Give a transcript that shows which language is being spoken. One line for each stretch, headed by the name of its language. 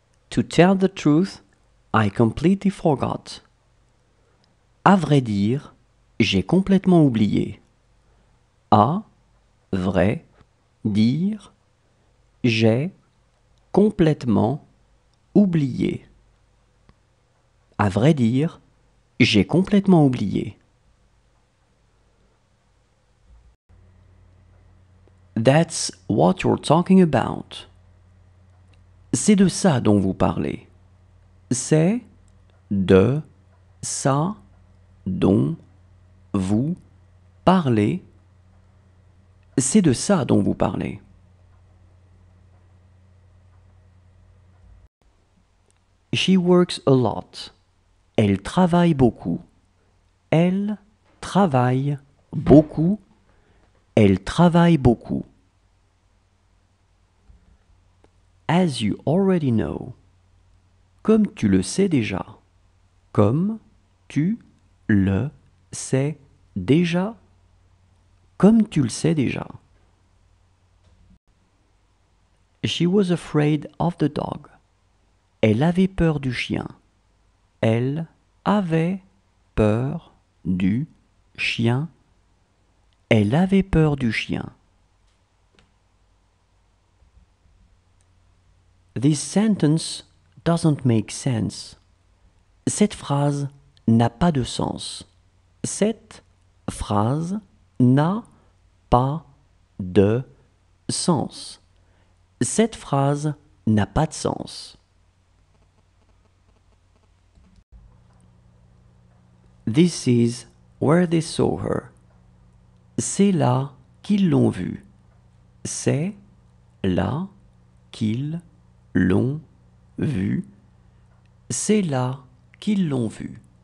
English: To tell the truth, I completely forgot.
French: À vrai dire, j'ai complètement oublié. À vrai dire, j'ai complètement oublié. À vrai dire, j'ai complètement oublié.
English: That's what you're talking about.
French: C'est de ça dont vous parlez. C'est de ça dont vous parlez. C'est de ça dont vous parlez.
English: She works a lot.
French: Elle travaille beaucoup. Elle travaille beaucoup. Elle travaille beaucoup.
English: As you already know.
French: Comme tu le sais déjà. Comme tu le sais déjà. Comme tu le sais déjà.
English: She was afraid of the dog.
French: Elle avait peur du chien. Elle avait peur du chien. Elle avait peur du chien.
English: This sentence doesn't make sense.
French: Cette phrase n'a pas de sens. Cette phrase n'a pas de sens. Cette phrase n'a pas de sens.
English: This is where they saw her.
French: C'est là qu'ils l'ont vu. C'est là qu'ils l'ont vu. C'est là qu'ils l'ont vu.